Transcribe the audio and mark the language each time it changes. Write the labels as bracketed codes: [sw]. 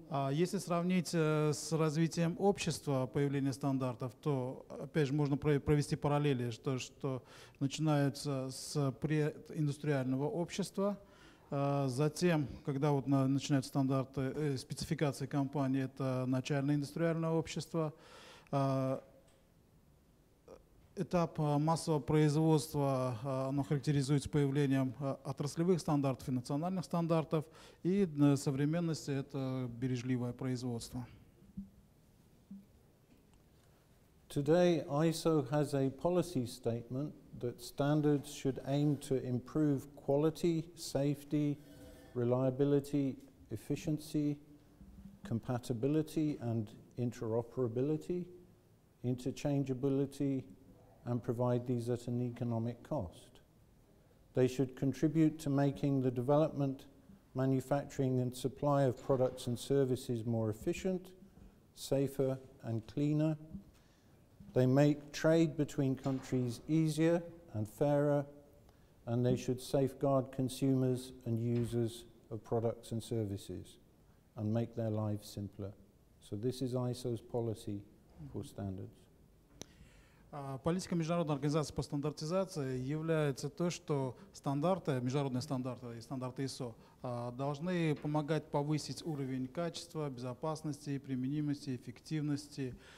[ru] Если сравнить с развитием общества появления стандартов, то, опять же, можно провести параллели, что начинается с прединдустриального общества, затем, когда вот начинаются стандарты, спецификации компании, это начальное индустриальное общество, этап массового производства, оно характеризуется появлением отраслевых стандартов и национальных стандартов, и на современности это бережливое производство. [en] Today ISO has a policy statement that standards should aim to improve quality, safety, reliability, efficiency, compatibility and interoperability, interchangeability, and provide these at an economic cost. They should contribute to making the development, manufacturing and supply of products and services more efficient, safer and cleaner. They make trade between countries easier and fairer, and they should safeguard consumers and users of products and services and make their lives simpler. So this is ISO's policy for standards. [ru] Политика международной организации по стандартизации является то, что стандарты, международные стандарты и стандарты ISO должны помогать повысить уровень качества, безопасности, применимости, эффективности.